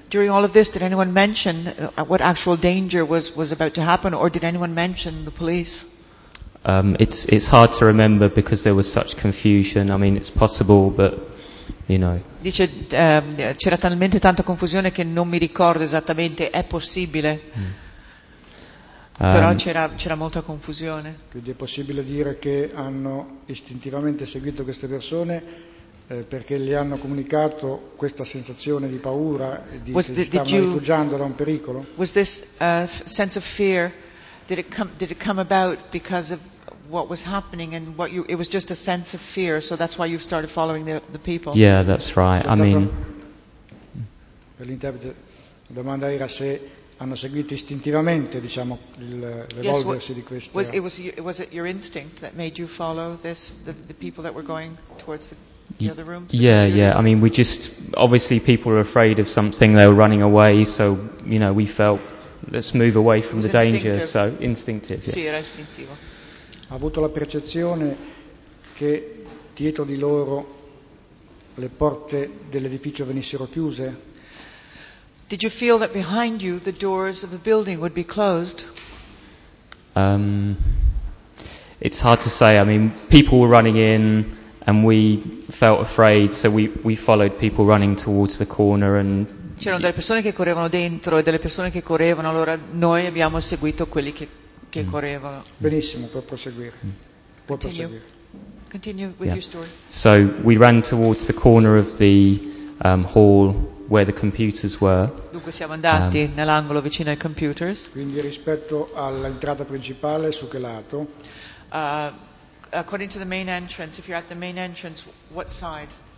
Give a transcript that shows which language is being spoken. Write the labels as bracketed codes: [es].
[en] During all of this, did anyone mention what actual danger was about to happen, or did anyone mention the police? It's hard to remember because there was such confusion. I mean, it's possible, but you know. [it] Dice c'era talmente tanta confusione che non mi ricordo esattamente. È possibile. Però c'era molta confusione. Quindi è possibile dire che hanno istintivamente seguito queste persone perché gli hanno comunicato questa sensazione di paura, di che si stavano rifugiando da un pericolo? [en] Was this sense of fear, did it come about because of what was happening and what you, it was just a sense of fear, so that's why you started following the people? Yeah, that's right. I mean, [it] per l'interprete la domanda era se hanno seguito istintivamente, diciamo, l'evolversi di questo. [en] Was it your instinct that made you follow this, the people that were going towards the other room? I mean, we just, obviously people are afraid of something, they were running away, so, you know, we felt, let's move away from the danger, so instinctive. [it] Sì, era istintivo. Ha avuto la percezione che dietro di loro le porte dell'edificio venissero chiuse? [en] Did you feel that behind you the doors of the building would be closed? It's hard to say. I mean, people were running in and we felt afraid, so we followed people running towards the corner and [it] c'erano delle persone che correvano dentro e delle persone che correvano, allora noi abbiamo seguito quelli che correvano. Benissimo, puoi proseguire. [en] Continue with your story. So we ran towards the corner of the hall where the computers were. [it] Dunque siamo andati nell'angolo vicino ai computers. Quindi rispetto all'entrata principale, su che lato? [en] According to the main entrance, if you're at the main entrance, what side?